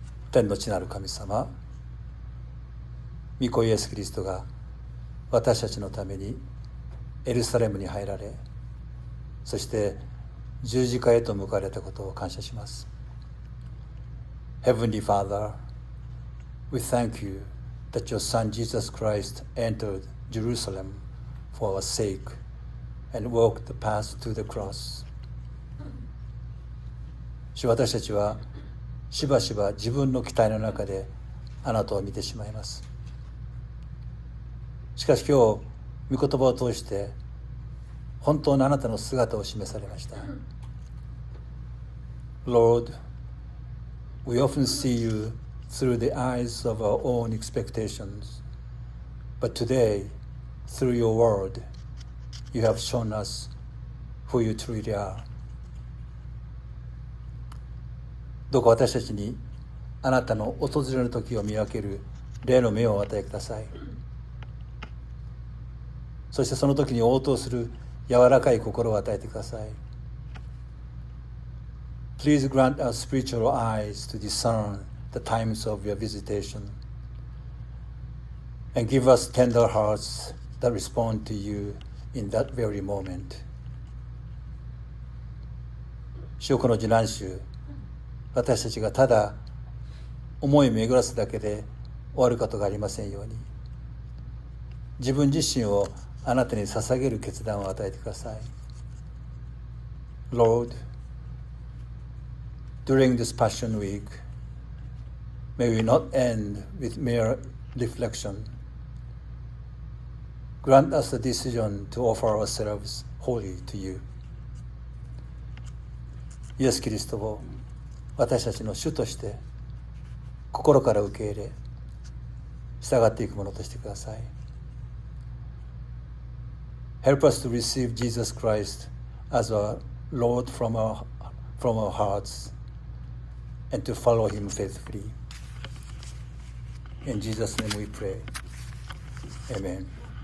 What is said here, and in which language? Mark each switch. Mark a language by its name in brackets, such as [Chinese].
[Japanese] 天の地なる神様、御子イエスキリストが私たちのためにエルサレムに入られ、そして十字架へと向かわれたことを感謝します。 [English] Heavenly Father, we thank you that your Son Jesus Christ entered Jerusalem for our sake and walked the path to the cross。 [Japanese] 主、私たちはしばしば自分の期待の中であなたを見てしまいます。しかし今日御言葉を通して本当のあなたの姿を示されました。 [English] Lord, we often see you through the eyes of our own expectations, but today, through your word, you have shown us who you truly are。 [Japanese] どうか私たちにあなたの訪れの時を見分ける霊の目をお与えください。そしてその時に応答する柔らかい心を与えてください。 [English] Please grant us spiritual eyes to discern the times of your visitation and give us tender hearts that respond to you in that very moment。 [Japanese] 主よ、この受難週、私たちがただ思い巡らすだけで終わることがありませんように、自分自身をあなたに捧げる決断を与えてください。 [English] Lord, during this Passion Week, may we not end with mere reflection. Grant us the decision to offer ourselves wholly to you. [Japanese] イエス・キリストを私たちの主として心から受け入れ、従っていくものとしてください。 [English] Help us to receive Jesus Christ as our Lord from our hearts and to follow Him faithfully. In Jesus' name we pray. Amen.